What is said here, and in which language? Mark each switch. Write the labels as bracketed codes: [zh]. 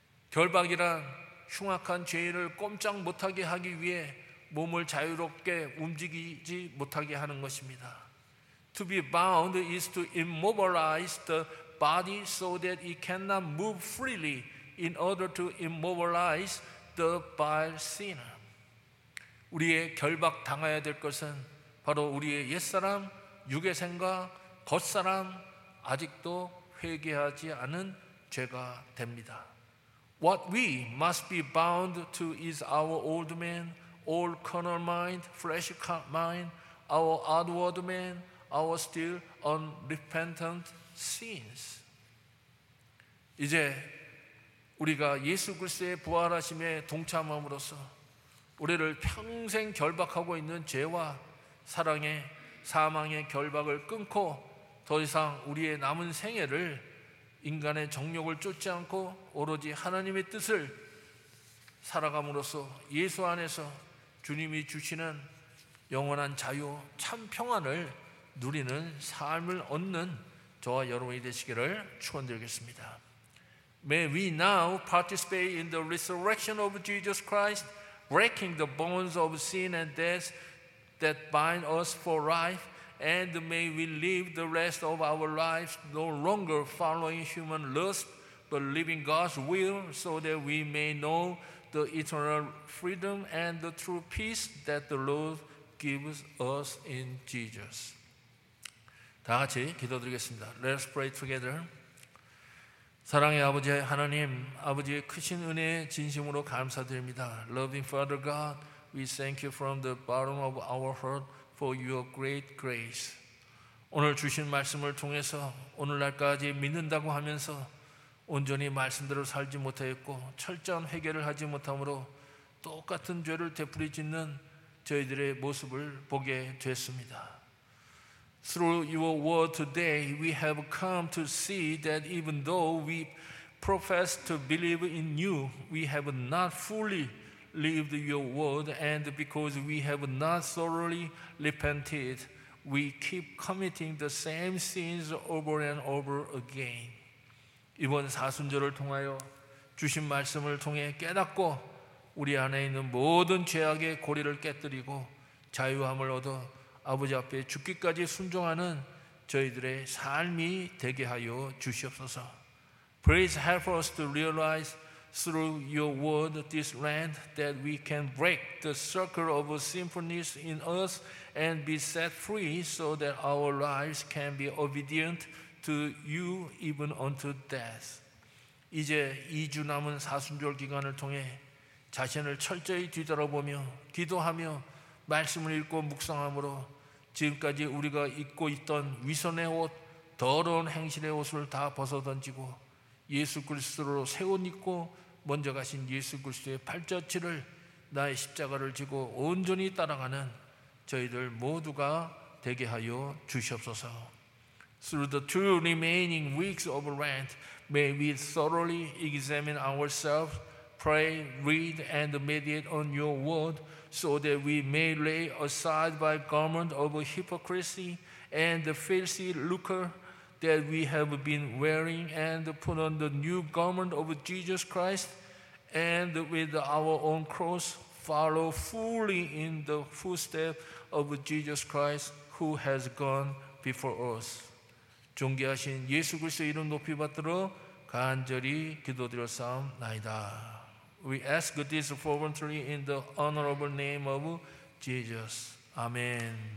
[ko] 결박이란 흉악한 죄인을 꼼짝 못하게 하기 위해 몸을 자유롭게 움직이지 못하게 하는 것입니다. [en] To be bound is to immobilize the body so that it cannot move freely in order to immobilize the vile sinner. [ko] 우리의 결박당해야 될 것은 바로 우리의 옛사람, 육의생각, 겉사람, 아직도 회개하지 않은 죄가 됩니다. [en] What we must be bound to is our old man, old carnal mind, flesh mind, our outward man, our still unrepentant sins. [ko] 이제 우리가 예수 그리스도의 부활하심에 동참함으로써 우리를 평생 결박하고 있는 죄와 사랑의 사망의 결박을 끊고 더 이상 우리의 남은 생애를 인간의 정욕을 쫓지 않고 오로지 하나님의 뜻을 살아감으로써 예수 안에서 주님이 주시는 영원한 자유, 참 평안을 누리는 삶을 얻는 저와 여러분이 되시기를 축원드리겠습니다. [en] May we now participate in the resurrection of Jesus Christ, breaking the bones of sin and death that bind us for life, and may we live the rest of our lives no longer following human lust, but living God's will so that we may know the eternal freedom and the true peace that the Lord gives us in Jesus. [ko] 다 같이 기도드리겠습니다. [en] Let's pray together. [ko] 사랑의 아버지 하나님, 아버지의 크신 은혜에 진심으로 감사드립니다. [en] Loving Father God, we thank you from the bottom of our heart for your great grace. [ko] 오늘 주신 말씀을 통해서 오늘날까지 믿는다고 하면서 온전히 말씀대로 살지 못하였고 철저한 회개를 하지 못함으로 똑같은 죄를 되풀이 짓는 저희들의 모습을 보게 됐습니다. [en] Through your word today, we have come to see that even though we profess to believe in you, we have not fully lived your word, and because we have not thoroughly repented, we keep committing the same sins over and over again. [ko] 이번 사순절을 통하여 주신 말씀을 통해 깨닫고 우리 안에 있는 모든 죄악의 고리를 깨뜨리고 자유함을 얻어 아버지 앞에 죽기까지 순종하는 저희들의 삶이 되게 하여 주시옵소서. [en] Please help us to realize through your word this land that we can break the circle of sinfulness in us and be set free so that our lives can be obedient to you even unto death. [ko] 이제 2주 남은 사순절 기간을 통해 자신을 철저히 뒤돌아보며 기도하며 말씀을 읽고 묵상함으로 지금까지 우리가 입고 있던 위선의 옷, 더러운 행실의 옷을 다 벗어던지고 예수 그리스도로 새 옷 입고 먼저 가신 예수 그리스도의 팔자취를 나의 십자가를 지고 온전히 따라가는 저희들 모두가 되게 하여 주시옵소서. [en] Through the two remaining weeks of Lent, may we thoroughly examine ourselves, pray, read, and meditate on your word, so that we may lay aside by garment of hypocrisy and the filthy lucre that we have been wearing and put on the new garment of Jesus Christ and with our own cross follow fully in the footsteps of Jesus Christ who has gone before us. [ko] 존귀하신 예수 그리스도의 이름 높이 받들어 간절히 기도드렸사옵나이다. [en] We ask this fervently in the honorable name of Jesus. Amen.